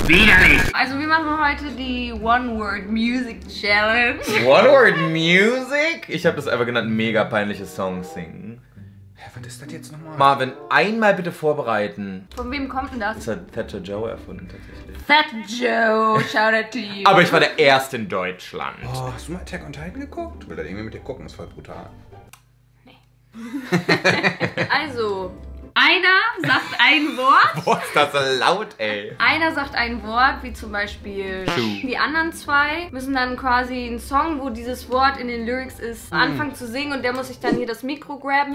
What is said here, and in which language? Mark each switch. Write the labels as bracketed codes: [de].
[de] Widerlich! Also wir machen heute die One-Word-Music-Challenge. One-Word-Music? Ich hab das einfach genannt, mega peinliches Song-Singen. Hä, was ist das jetzt nochmal? Marvin, einmal bitte vorbereiten. Von wem kommt denn das? Das hat Thatcher Joe erfunden, tatsächlich. [en] Thatcher Joe, shout out to you. [de] Aber ich war der Erste in Deutschland. Oh, hast du mal Attack on Titan geguckt? Ich will da irgendwie mit dir gucken, ist voll brutal. Nee. Also, einer sagt ein Wort. Boah, ist das laut, ey. Einer sagt ein Wort, wie zum Beispiel Schuh. Die anderen zwei müssen dann quasi einen Song, wo dieses Wort in den Lyrics ist, anfangen zu singen und der muss sich dann hier das Mikro grabben.